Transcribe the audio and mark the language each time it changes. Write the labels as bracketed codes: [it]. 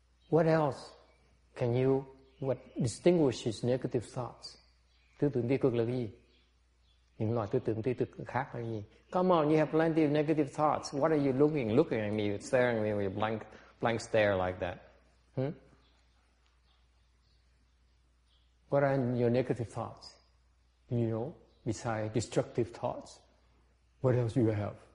[en] What else can you, what distinguishes negative thoughts? [vi] Tư tưởng tiêu cực là cái gì? Những loại tư tưởng tiêu cực khác là gì? [en] Come on, you have plenty of negative thoughts. What are you looking at me, staring at me with a blank stare like that? What are your negative thoughts? You know, besides destructive thoughts, what else do you have?